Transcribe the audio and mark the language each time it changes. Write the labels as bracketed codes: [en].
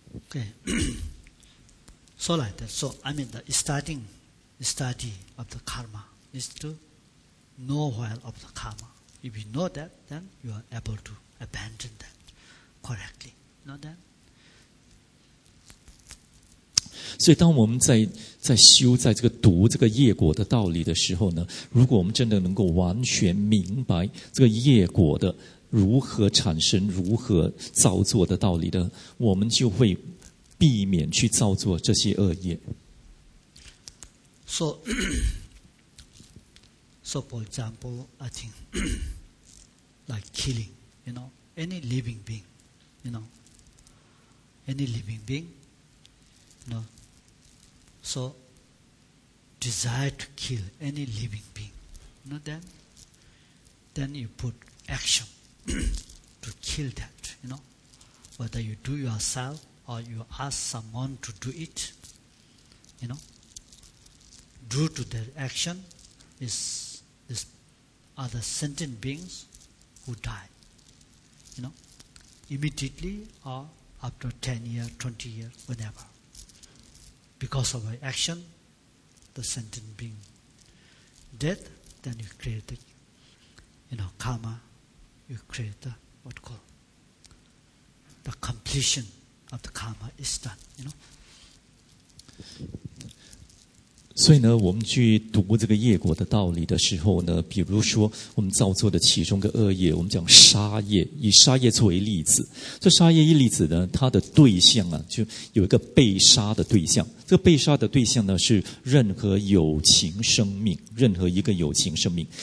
[en] Okay. So like that. So I mean the study of the karma is to know well of the karma. If you know that, then you are able to abandon that. Correctly, not that. [zh] 所以，当我们在修，在这个读这个业果的道理的时候呢，如果我们真的能够完全明白这个业果的如何产生、如何造作的道理的，我们就会避免去造作这些恶业。 [en] So, So for example, I think like killing, you know, any living being, you know, any living being, you know, so desire to kill any living being, you know, then you put action to kill that, you know, whether you do yourself or you ask someone to do it, you know, due to that action is this other sentient beings who die, you know, immediately or after 10 years, 20 years, whenever. Because of our action, the sentient being dead, then you create the, you know, karma, you create the, what you call, the completion of the karma is done, you know. [zh] 所以呢，我们去读这个业果的道理的时候呢，比如说我们造作的其中一个恶业，我们讲杀业，以杀业作为例子。这杀业一例子呢，它的对象啊，就有一个被杀的对象。这个被杀的对象呢，是任何有情生命，任何一个有情生命。